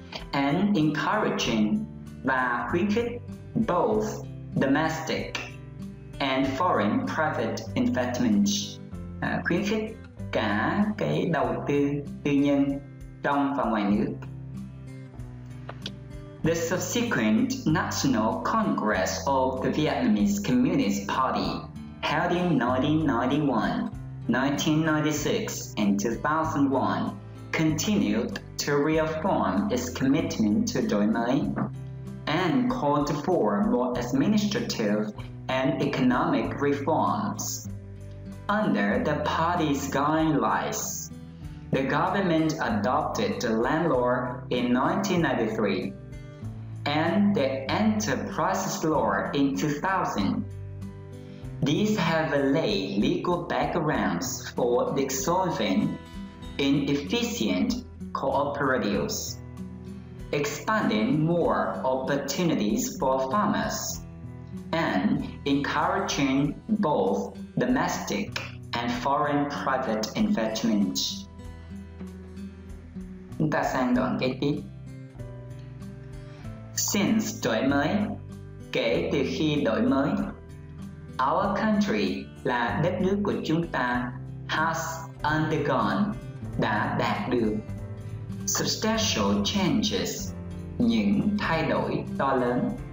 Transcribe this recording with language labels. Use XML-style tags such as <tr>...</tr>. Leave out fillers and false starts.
<en>And encouraging</en> <vi>và khuyến khích</vi> <en>both domestic and foreign private investments.</en> <vi>Khuyến khích cả cái đầu tư tư nhân trong và ngoài nước.</vi> <en>The subsequent National Congress of the Vietnamese Communist Party held in 1991, 1996 and 2001 continued to reaffirm its commitment to đổi mới and called for more administrative and economic reforms. Under the party's guidelines, the government adopted the land law in 1993 and the enterprises law in 2000. These have laid legal backgrounds for dissolving inefficient cooperatives, expanding more opportunities for farmers, and encouraging both domestic and foreign private investments.</en> <vi>Ta sang đoạn kế tiếp.</vi> <en>Since đổi mới,</en> <vi>kể từ khi đổi mới,</vi> <en>our country</en> <vi>là đất nước của chúng ta</vi> <en>has undergone,</en> <vi>đã đạt được</vi> <en>substantial changes,</en> <vi>những thay đổi to lớn.</vi>